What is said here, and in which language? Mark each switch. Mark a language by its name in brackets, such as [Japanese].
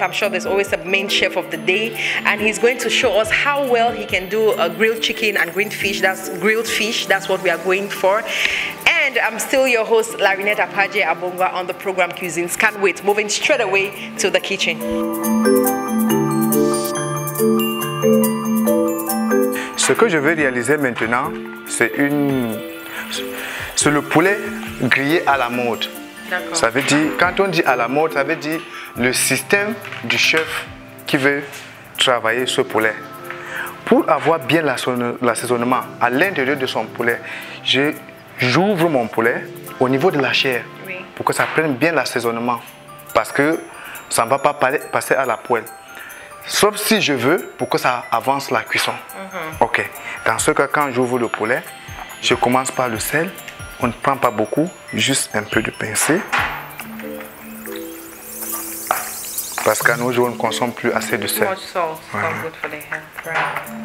[English] I'm sure there's always a main chef of the day, and he's going to show us how well he can do a grilled chicken and grilled fish. That's grilled fish, that's what we are going for. And I'm still your host, Larinette Apaje Abongwa, on the program Cuisines. Can't wait, moving straight away to the kitchen. [French] Ce que je vais réaliser maintenant, c'est le poulet grillé à la mode. D'accord. Ça veut dire, quand on dit à la mode, ça veut dire le système du chef qui veut travailler ce poulet. Pour avoir bien l'assaisonnement à l'intérieur de son poulet, j'ouvre mon poulet au niveau de la chair, oui, pour que ça prenne bien l'assaisonnement, parce que ça ne va pas passer à la poêle. Sauf si je veux pour que ça avance la cuisson. Mm-hmm. Ok. Dans ce cas, quand j'ouvre le poulet, je commence par le sel. On ne prend pas beaucoup, juste un peu de pincée. Parce qu'à nos jours, on ne consomme plus assez de sel. [English] Too much salt, it's not good for the health.